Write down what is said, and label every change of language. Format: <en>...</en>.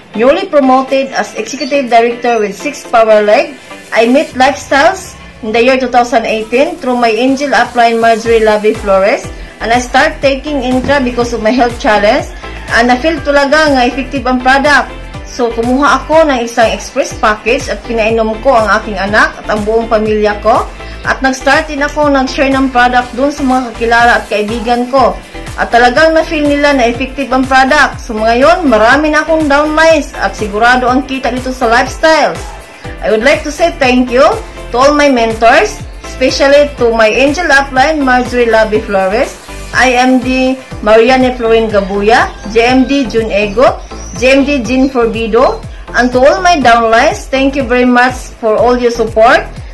<en>Newly promoted as executive director with 6 Power Leg, I met Lifestyles in the year 2018 through my angel upline Marjorie Lavi Flores, and I start taking intra because of my health challenge, and I feel</en> <tl>talaga nga</tl> <en>effective ang product.</en> <tl>So, kumuha ako ng isang express package at pinainom ko ang aking anak at ang buong pamilya ko. At nag-start din ako nag-share ng product dun sa mga kakilala at kaibigan ko. At talagang na-feel nila na effective ang product. So, ngayon, marami na akong downlines at sigurado ang kita nito sa lifestyles.</tl> <en>I would like to say thank you to all my mentors, especially to my angel upline, Marjorie Labi Flores, IMD Marianne Florin Gabuya, JMD June Ego, JMD Jean Forbido, and to all my downlines, thank you very much for all your support.</en>